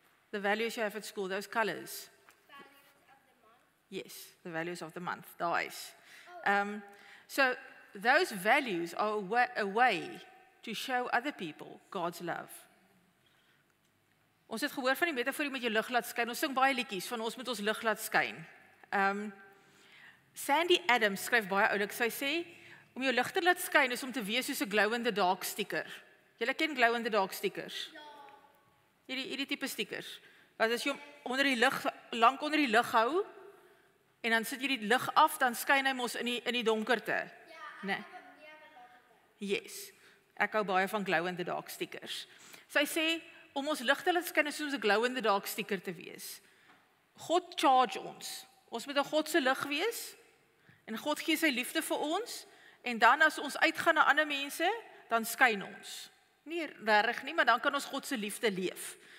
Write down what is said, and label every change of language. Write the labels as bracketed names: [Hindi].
[English] The values you have at school, those colors. Values of the month. Yes, the values of the month, dies. So those values are a way to show other people God's love. [Afrikaans] Ons het gehoor van die metaforie met jou lig laat skyn. Ons sing baie liedjies van ons moet ons lig laat skyn. Sandy Adams skryf baie oulik. Sy sê, om jou lig te laat skyn is om te wees soos 'n glow-in-the-dark sticker. Julle ken glow-in-the-dark stickers? Ja. Hierdie tipe stickers. Wat as jy hom onder die lig, lank onder die lig hou, en dan sit jy die lig af, dan skyn hy mos in die donkerte. Ja, nee. Ek hou yes. Ek hou baie van glow-in-the-dark stickers. Sy sê, om ons lig te laat skyn is soos 'n glow-in-the-dark sticker te wees. God charge ons. Ons moet 'n God se lig wees, en God gee sy liefde vir ons, en dan as ons uitgaan na ander mense, dan skyn ons. Nie rarig nie, maar dan kan ons God se liefde leef.